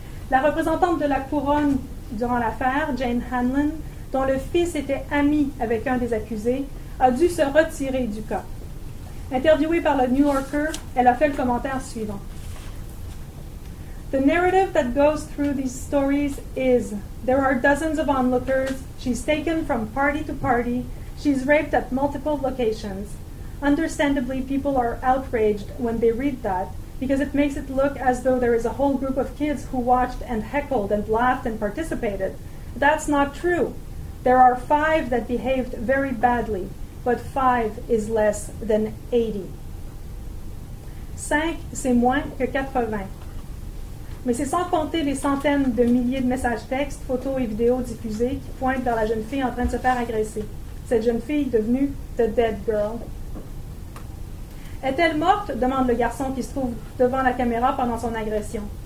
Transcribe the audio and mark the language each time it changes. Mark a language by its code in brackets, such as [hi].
[fr] La représentante de la couronne durant l'affaire, Jane Hanlon, dont le fils était ami avec un des accusés, a dû se retirer du cas. Interviewée par le New Yorker, elle a fait le commentaire suivant. [en] The narrative that goes through these stories is there are dozens of onlookers, she's taken from party to party, she's raped at multiple locations. Understandably, people are outraged when they read that because it makes it look as though there is a whole group of kids who watched and heckled and laughed and participated. That's not true. There are five that behaved very badly, but five is less than 80. [fr] Cinq, c'est moins que 80. Mais c'est sans compter les centaines de milliers de messages textes, photos et vidéos diffusés qui pointent vers la jeune fille en train de se faire agresser. Cette jeune fille devenue « [en] the dead girl [fr] ». Est-elle morte? Demande le garçon qui se trouve devant la caméra pendant son agression.